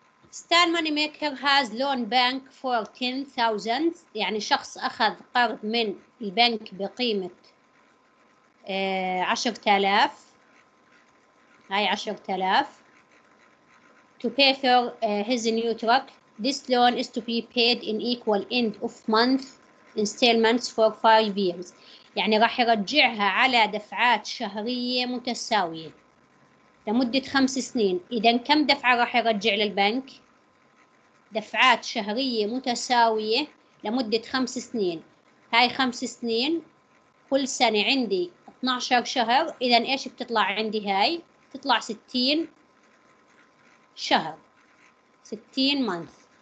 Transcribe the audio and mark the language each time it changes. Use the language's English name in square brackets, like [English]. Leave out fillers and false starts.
[English] Stan Moneymaker has loan bank for 10,000. [Arabic] يعني شخص أخذ قرض من البنك بقيمة 10,000. هاي [English] 10,000 to pay for his new truck. This loan is to be paid in equal end of month installments for 5 years. [Arabic] يعني راح يرجعها على دفعات شهرية متساوية لمدة 5 سنين. إذن كم دفعة راح يرجع للبنك؟ دفعات شهرية متساوية لمدة 5 سنين. هاي 5 سنين، كل سنة عندي 12 شهر، إذن إيش بتطلع عندي؟ هاي تطلع 60 شهر، [English] 60 months.